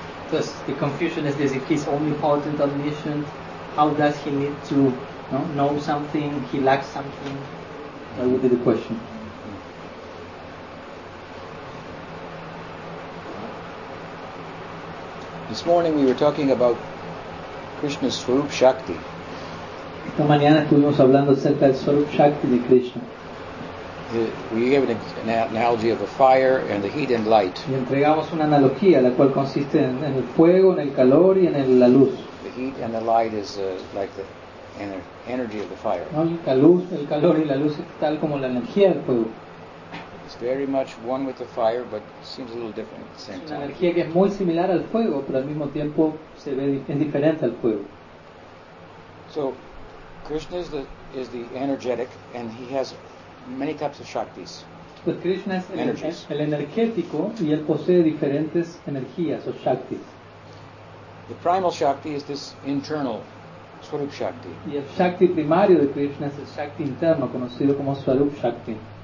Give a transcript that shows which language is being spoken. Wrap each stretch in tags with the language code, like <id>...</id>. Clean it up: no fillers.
<en>Thus, the confusion is this, if he's omnipotent, omniscient, how does he need to know something, he lacks something? That would be the question. This morning we were talking about Krishna's Swarup Shakti.</en> <es>Esta mañana estuvimos hablando acerca del Swarup Shakti de Krishna.</es> <en>We gave an analogy of a fire and the heat and light.</en> <es>Y entregamos una analogía, la cual consiste en el fuego, en el calor y en la luz.</es> <en>The heat and the light is like the energy of the fire.</en> <es>El calor y la luz es tal como la energía del fuego.</es> <en>It's very much one with the fire, but seems a little different at the same time.</en> <es>Es una energía que es muy similar al fuego, pero al mismo tiempo se ve es diferente al fuego.</es> <en>So, Krishna is the energetic, and he has many types of shaktis.</en> <es>Pues Krishna es el energético y él posee diferentes energías o shaktis.</es> <en>The primal shakti is this internal. Swarup Shakti.</en> <es>Y el Shakti primario de Krishna es el Shakti interno, conocido como Swarup Shakti.</es>